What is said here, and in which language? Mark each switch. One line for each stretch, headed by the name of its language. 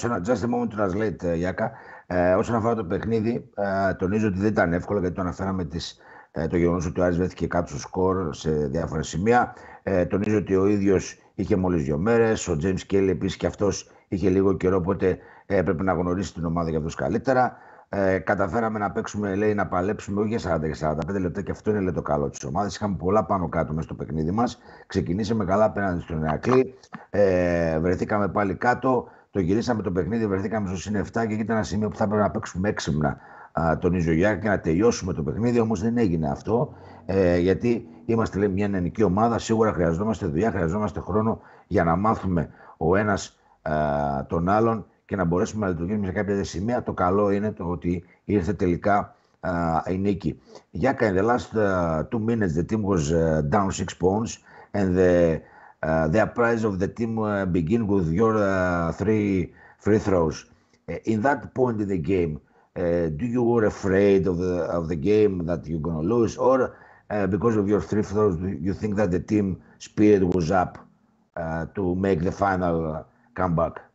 English: Just a moment to translate, Γιάκα.
Greek: Όσον αφορά το παιχνίδι, τονίζω ότι δεν ήταν εύκολο, γιατί το αναφέραμε το γεγονός ότι ο Άρης βρέθηκε κάτω στο σκορ σε διάφορα σημεία. Τονίζω ότι ο ίδιος είχε μόλις 2 μέρες, ο James Kelly επίσης και αυτός είχε λίγο καιρό, οπότε έπρεπε να γνωρίσει την ομάδα για αυτός καλύτερα. Καταφέραμε να παίξουμε, λέει, να παλέψουμε όχι για 40 και 45 λεπτά, και αυτό είναι, λέει, το καλό της ομάδας. Είχαμε πολλά πάνω κάτω μέσα στο παιχνίδι μας. Ξεκινήσαμε καλά απέναντι στον Ηρακλή. Βρεθήκαμε πάλι κάτω. Το γυρίσαμε το παιχνίδι, βρεθήκαμε στο σύν 7 και ήταν ένα σημείο που θα έπρεπε να παίξουμε έξυπνα τον Ιζογιάκ και να τελειώσουμε το παιχνίδι. Όμως δεν έγινε αυτό. Γιατί είμαστε, λέει, μια νεανική ομάδα. Σίγουρα χρειαζόμαστε δουλειά, χρειαζόμαστε χρόνο για να μάθουμε ο ένας τον άλλον και να μπορέσουμε να λειτουργήσουμε σε κάποια σημεία. Το καλό είναι το ότι ήρθε τελικά η νίκη.
English: Γιάκα, in the last 2 minutes, the team was down 6 points, and the prize of the team begin with your 3 free throws. In that point in the game, do you were afraid of the game that you're going to lose, or because of your 3 free throws, you think that the team spirit was up to make the final comeback?